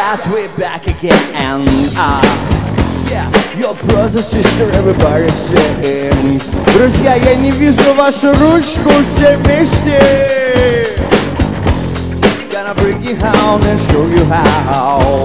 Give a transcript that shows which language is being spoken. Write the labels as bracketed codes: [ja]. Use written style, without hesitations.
[en] We're back again, and yeah, your brothers and sisters, everybody's here. [ru] Друзья, я не вижу вашу ручку, все вместе. [en] Gonna bring you home and show you how.